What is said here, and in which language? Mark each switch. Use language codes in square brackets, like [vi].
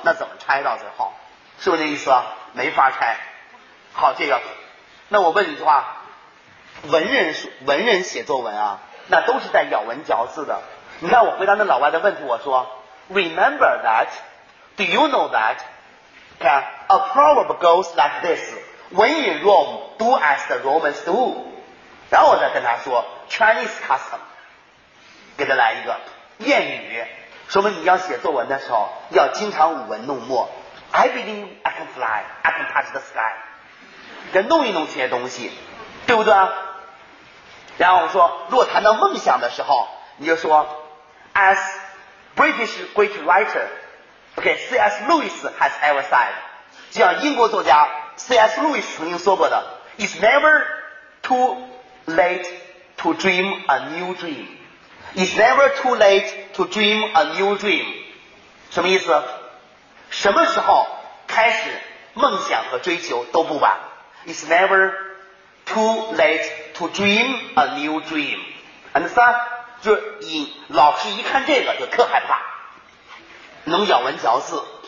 [zh] 那怎么拆到最后？是不是这意思？没法拆。好，这个，那我问你句话，文人写作文啊，那都是在咬文嚼字的。你看我回答那老外的问题，我说 [en] Remember that? Do you know that? Okay, a proverb goes like this. When in Rome, do as the Romans do. [zh] 然后我再跟他说 Chinese custom， 给他来一个谚语，说明你要写作文的时候要经常舞文弄墨。 [en] I believe I can fly, I can touch the sky， [zh] 给弄一弄这些东西，对不对？然后我说，如果谈到梦想的时候，你就说 [en] As British great writer okay, C.S. Lewis has ever said， [zh] 就像英国作家C.S. [en] Lewis [zh] 曾经说过的 [en] It's never too late to dream a new dream. It's never too late to dream a new dream. [zh] 什么意思？什么时候开始梦想和追求都不晚。 [en] It's never too late to dream a new dream. Understand? [zh] 就是老师一看这个就特害怕，能咬文嚼字。